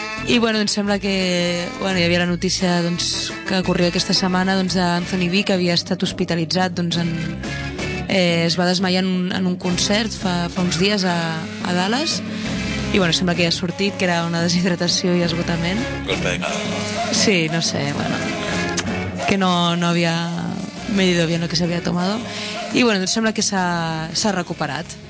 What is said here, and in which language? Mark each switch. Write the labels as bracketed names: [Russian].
[Catalan] I bueno, em sembla que, bueno, hi havia la notícia, doncs, que corria aquesta setmana, doncs, d'Anthony B, que havia estat hospitalitzat, doncs, es va desmaiar en un concert fa uns dies a Dallas. I bueno, sembla que ja ha sortit, que era una deshidratació i esgotament. [Spanish] Golpe de cara. Sí, no sé, bueno, que no havia medido bien lo que se había tomado. [Catalan] I bueno, doncs sembla que s'ha recuperat.